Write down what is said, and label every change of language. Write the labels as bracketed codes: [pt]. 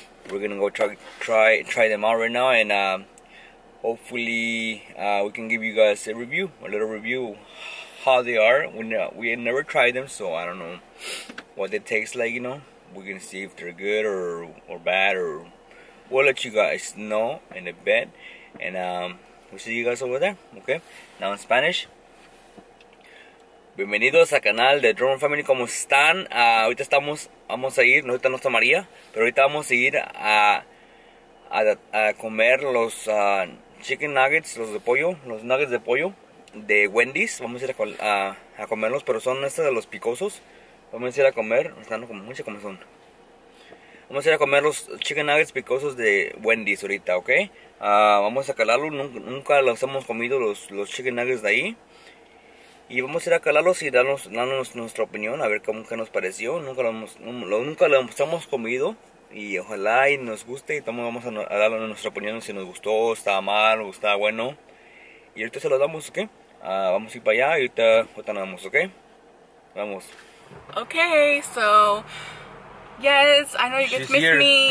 [en] We're gonna go try them out right now, and hopefully we can give you guys a little review how they are. We never tried them, so I don't know what they taste like, you know. We're gonna see if they're good or bad, or we'll let you guys know in a bit. And we'll see you guys over there, okay? Now in Spanish. [es] Bienvenidos al canal de Dromar Family, ¿cómo están? Ahorita vamos a ir, no está nuestra María, pero ahorita vamos a ir a comer los chicken nuggets, los nuggets de pollo de Wendy's. Vamos a ir a comerlos, pero son estos de los picosos. Vamos a ir a comer, están como mucha comezón. Vamos a ir a comer los chicken nuggets picosos de Wendy's ahorita, ok. Vamos a calarlos, nunca los hemos comido los chicken nuggets de ahí. Y vamos a ir a calarlos y darnos nuestra opinión, a ver cómo que nos pareció. Nunca lo hemos comido y ojalá y nos guste. Y también vamos a dar nuestra opinión si nos gustó, estaba mal o estaba bueno. Y ahorita se los damos, ok. Vamos a ir para allá y ahorita nos damos, ok. Vamos. [en] Okay, so yes, I know you guys miss me.